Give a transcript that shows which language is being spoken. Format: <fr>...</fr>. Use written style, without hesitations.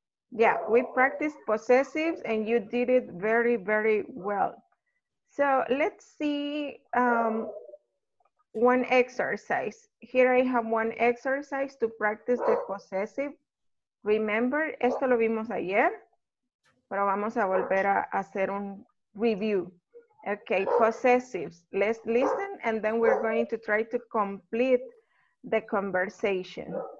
<en>Yeah, we practiced possessives and you did it very, very well. So let's see one exercise. Here I have one exercise to practice the possessive. Remember,</en> <es>esto lo vimos ayer. Pero vamos a volver a hacer un review.</es> <en>Okay, possessives. Let's listen and then we're going to try to complete the conversation.</en>